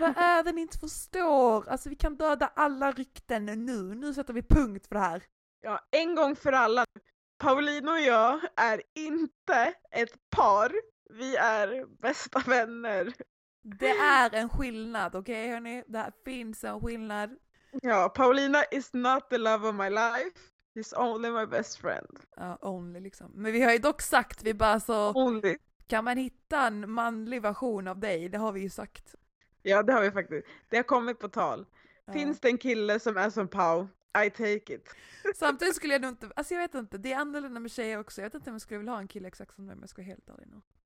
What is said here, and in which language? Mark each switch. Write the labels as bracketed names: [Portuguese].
[Swedish] Vad är det ni inte förstår? Alltså vi kan döda alla rykten nu. Nu sätter vi punkt för det här. Ja, en gång för alla. Paulina och jag är inte ett par. Vi är bästa vänner. Det är en skillnad, okej hörni? Det här finns en skillnad. [English] Ja, Paulina is not the love of my life. She's only my best friend. [Swedish] Ja, only liksom. Men vi har ju dock sagt, vi bara så... [English] Only. [Swedish] Kan man hitta en manlig version av dig? Det har vi ju sagt. Ja, det har vi faktiskt. Det har kommit på tal. Ja. Finns det en kille som är som Pau? [English] I take it. [Swedish] Samtidigt skulle jag nog inte... Alltså jag vet inte, det är annorlunda med tjejer också. Jag vet inte om jag skulle vilja ha en kille exakt som mig, men jag ska helt ärlig nu.